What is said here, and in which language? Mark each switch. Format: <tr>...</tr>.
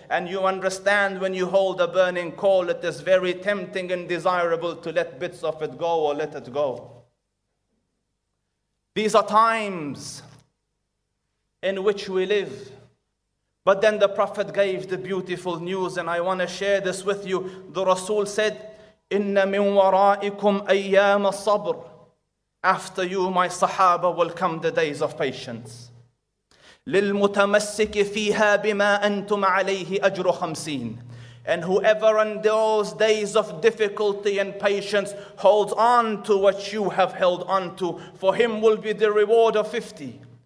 <en>And you understand when you hold a burning coal, it is very tempting and desirable to let bits of it go or let it go. These are times in which we live. But then the Prophet gave the beautiful news, and I want to share this with you. The Rasul said,</en> <ar>إِنَّ مِنْ وَرَائِكُمْ أَيَّامَ الصَّبْرِ.</ar> <en>After you, my Sahaba, will come the days of patience.</en> <ar>لِلْمُتَمَسِّكِ فِيهَا بِمَا أَنْتُمْ عَلَيْهِ أَجْرُ خَمْسِينَ.</ar> <en>And whoever endures days of difficulty and patience holds on to what you have held on to, for him will be the reward of 50.</en>